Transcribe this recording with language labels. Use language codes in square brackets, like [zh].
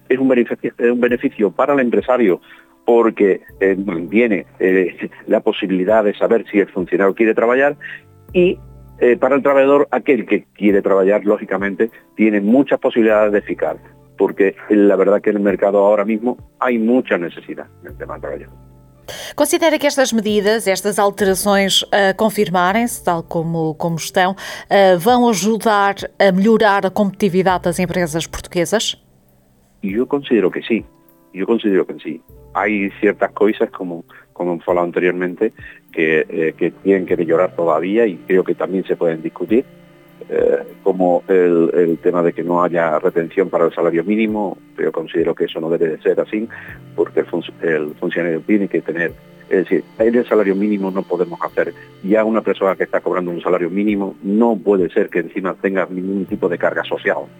[es] Es un beneficio para el empresario, porque tiene la posibilidad de saber si el funcionario quiere trabajar, y para el trabajador, aquel que quiere trabajar, lógicamente, tiene muchas posibilidades de ficar, porque la verdad que en el mercado ahora mismo hay mucha necesidad en el tema del trabajo. [pt] Considera que estas medidas, estas alterações a confirmarem-se, tal como estão, vão ajudar a melhorar a competitividade das empresas portuguesas? Eu considero que sim. [es] Hay ciertas cosas, como he hablado anteriormente, que tienen que mejorar todavía, y creo que también se pueden discutir, como el tema de que no haya retención para el salario mínimo. Yo considero que eso no debe de ser así, porque el funcionario tiene que tener, es decir, en el salario mínimo no podemos hacer, ya una persona que está cobrando un salario mínimo no puede ser que encima tenga ningún tipo de carga social.